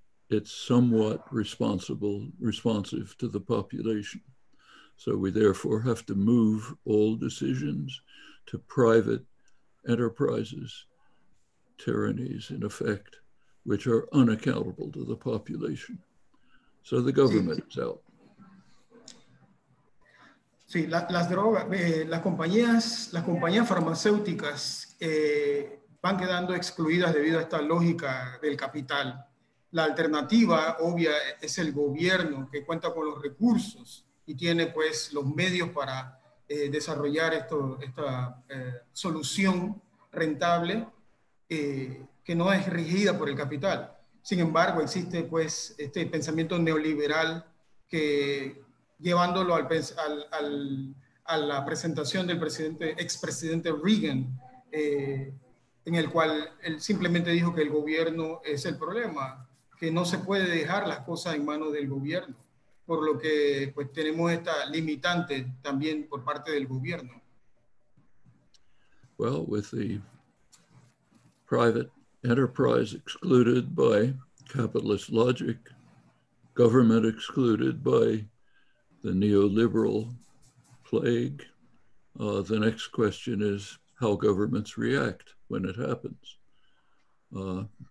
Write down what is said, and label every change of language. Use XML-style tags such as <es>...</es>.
<en>It's somewhat responsive to the population. So we therefore have to move all decisions to private enterprises, tyrannies in effect, which are unaccountable to the population. So the government is out.</en> <es>Sí, las drogas, las compañías farmacéuticas van quedando excluidas debido a esta lógica del capital. La alternativa obvia es el gobierno, que cuenta con los recursos y tiene pues los medios para desarrollar esta solución rentable que no es regida por el capital. Sin embargo, existe pues este pensamiento neoliberal que llevándolo a la presentación del expresidente Reagan, en el cual él simplemente dijo que el gobierno es el problema, que no se puede dejar las cosas en manos del gobierno, por lo que pues, tenemos esta limitante también por parte del gobierno.</es> <en>Well, with the private enterprise excluded by capitalist logic, government excluded by the neoliberal plague, the next question is how governments react when it happens.</en>